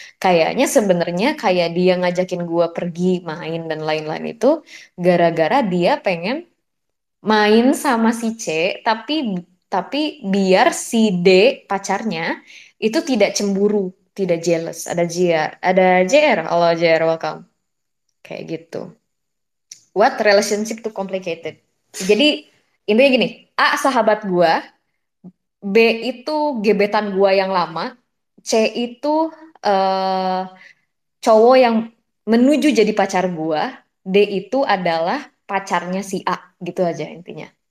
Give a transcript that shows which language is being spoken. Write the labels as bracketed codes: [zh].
[id] Kayaknya sebenarnya kayak dia ngajakin gue pergi main dan lain-lain itu gara-gara dia pengen main sama si C, tapi biar si D pacarnya itu tidak cemburu, tidak jealous. Ada JR, ada JR, halo JR, welcome. Kayak gitu. [en] What relationship too complicated. [id] Jadi intinya gini, A sahabat gua, B itu gebetan gua yang lama, C itu cowok yang menuju jadi pacar gua, D itu adalah pacarnya si A, gitu aja intinya.